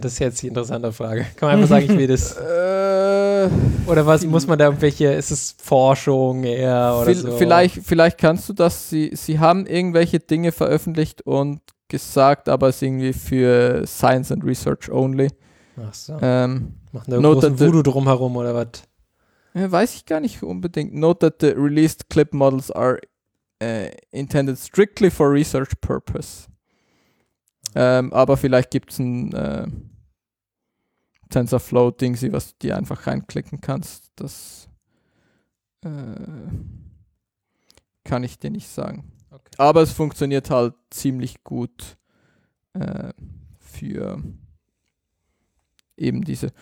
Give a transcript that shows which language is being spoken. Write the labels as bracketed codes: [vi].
[de] Das ist jetzt die interessante Frage. Kann man einfach sagen, ich will das? Oder was muss man da irgendwelche, ist es Forschung eher oder so? Vielleicht kannst du das. Sie haben irgendwelche Dinge veröffentlicht und gesagt, aber es ist irgendwie für [en] Science and Research only. [de] Ach so. Machen da großen Voodoo drumherum oder was? Weiß ich gar nicht unbedingt. [en] Note that the released clip models are intended strictly for research purpose. [de] Aber vielleicht gibt es ein TensorFlow-Ding, was du dir einfach reinklicken kannst. Das kann ich dir nicht sagen. Okay. Aber es funktioniert halt ziemlich gut für eben diese.